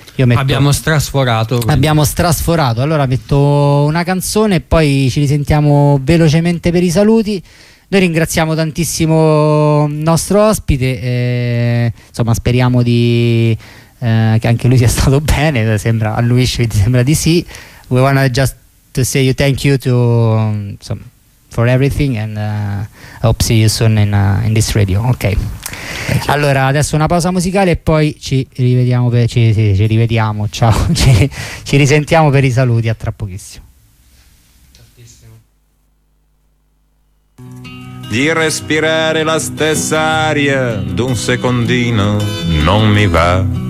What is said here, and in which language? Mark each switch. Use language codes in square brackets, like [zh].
[it] abbiamo strasforato, allora metto una canzone e poi ci risentiamo velocemente per i saluti. Noi ringraziamo tantissimo il nostro ospite, insomma speriamo che anche lui sia stato bene, sembra a lui sembra di sì. [en] We want to just say you thank you to for everything and I hope see you soon in this radio. [it] Ok. Allora, adesso una pausa musicale e poi ci rivediamo. Ciao. ci risentiamo per i saluti, a tra pochissimo. Di respirare la stessa aria d'un secondino non mi va.